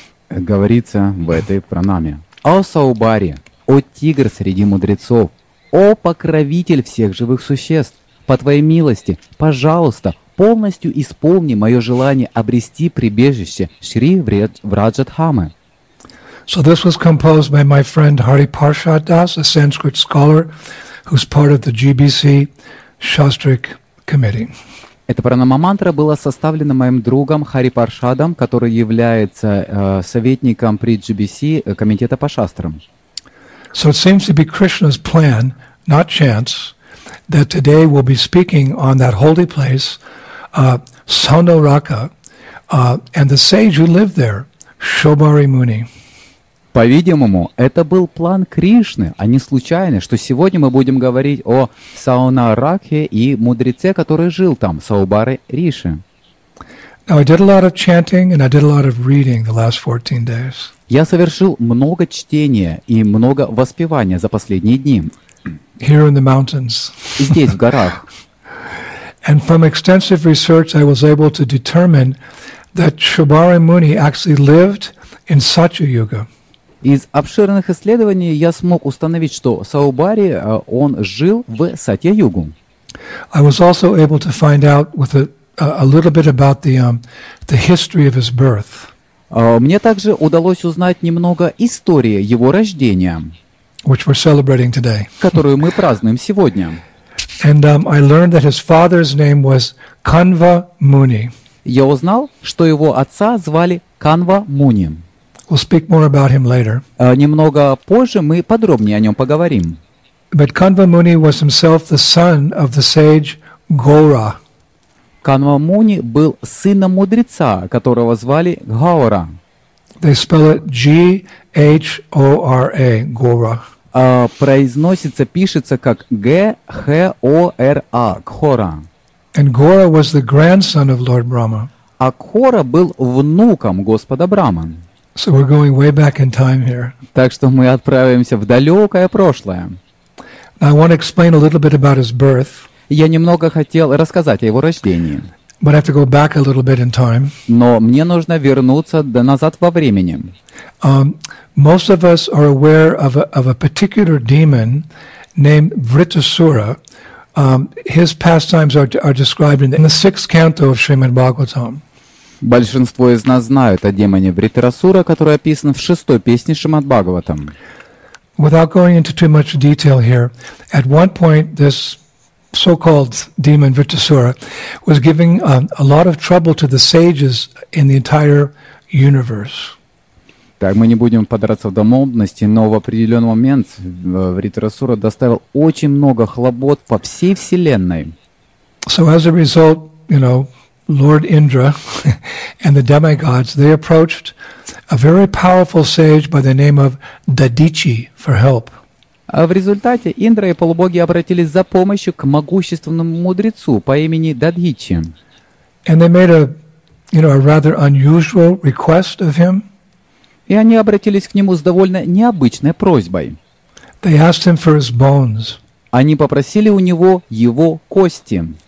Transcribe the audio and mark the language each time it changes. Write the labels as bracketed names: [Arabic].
[Russian] Говорится в этой пранаме. О Шобари, о тигр среди мудрецов, о покровитель всех живых существ, по твоей милости, пожалуйста, полностью исполни мое желание обрести прибежище Шри Враджадхамы. [English] So this was composed by my friend Hari Parshad Das, a Sanskrit scholar who's part of the GBC Shastric Committee. [Russian] Эта пранама-мантра была составлена моим другом Хари Паршадом, который является советником при GBC комитета по шастрам. [English] So it seems to be Krishna's plan, not chance, that today we'll be speaking on that holy place, Sona Raka, and the sage who lived there, Shobari Muni. [Russian] По-видимому, это был план Кришны, а не случайно, что сегодня мы будем говорить о Сауна Ракхе и мудреце, который жил там, Шобари Риши. Я совершил много чтения и много воспевания за последние дни. [English] Here in the mountains. [Russian] Здесь, в горах. [English] And from extensive research I was able to determine that Shobari Muni actually lived in Satya Yuga. [Russian] Из обширных исследований я смог установить, что Шобари, он жил в Сатья-югу. [English] I was also able to find out with a little bit about the history of his birth. [Russian] Мне также удалось узнать немного истории его рождения, [English] which we're celebrating today. [Russian] Которую мы празднуем сегодня. [English] And I learned that his father's name was Kanva Muni. [Russian] Я узнал, что его отца звали Канва Муни. [English] We'll speak more about him later. [Russian] Немного позже мы подробнее о нем поговорим. [English] But Kanva Muni was himself the son of the sage Gaura. [Russian] Канва Муни был сыном мудреца, которого звали Гаура. [English] They spell it G-H-O-R-A, Gaura. [Russian] Произносится, пишется как G-H-O-R-A, Gaura. [English] And Gaura was the grandson of Lord Brahma. [Russian] А Gaura был внуком Господа Брахмы. [English] So we're going way back in time here. [Russian] Так что мы отправимся в далекое прошлое. [English] I want to explain a little bit about his birth. [Russian] Я немного хотел рассказать о его рождении. [English] But I have to go back a little bit in time. [Russian] Но мне нужно вернуться назад во времени. [English] Most of us are aware of a particular demon named Vritasura. His pastimes are described in the sixth canto of Srimad Bhagavatam. [Russian] Большинство из нас знают о демоне Вритасура, который описан в шестой песне Шримад Бхагаватам. [English] Without going into too much detail here, at one point this so-called demon Vritasura was giving a lot of trouble to the sages in the entire universe. [Russian] Так, мы не будем подраться в домовности, но в определенный момент Вритасура доставил очень много хлопот по всей вселенной. [English] So as a result, you know, Lord Indra and the demigods, they approached a very powerful sage by the name of Dadichi for help. [Russian] А в результате Индра и полубоги обратились за помощью к могущественному мудрецу по имени Дадичи. [English] And they made a, you know, a rather unusual request of him. [Russian] И они обратились к нему с довольно необычной просьбой. [English] They asked him for his bones. [Russian] Они попросили у него его кости.